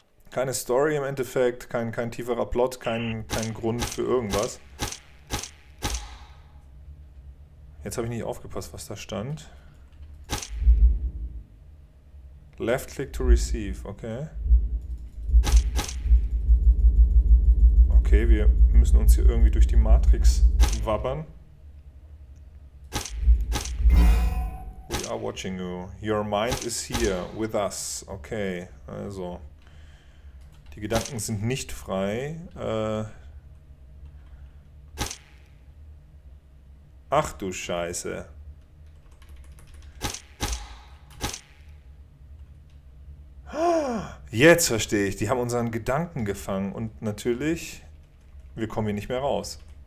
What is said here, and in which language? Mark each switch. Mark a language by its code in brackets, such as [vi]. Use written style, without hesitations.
[de] Keine Story im Endeffekt, kein tieferer Plot, kein Grund für irgendwas. Jetzt habe ich nicht aufgepasst, was da stand. [en] Left click to receive, okay. [de] Okay, wir müssen uns hier irgendwie durch die Matrix wabbern. [en] We are watching you. Your mind is here with us. [de] Okay, also. Die Gedanken sind nicht frei. Ach du Scheiße. Jetzt verstehe ich. Die haben unseren Gedanken gefangen. Und natürlich, wir kommen hier nicht mehr raus.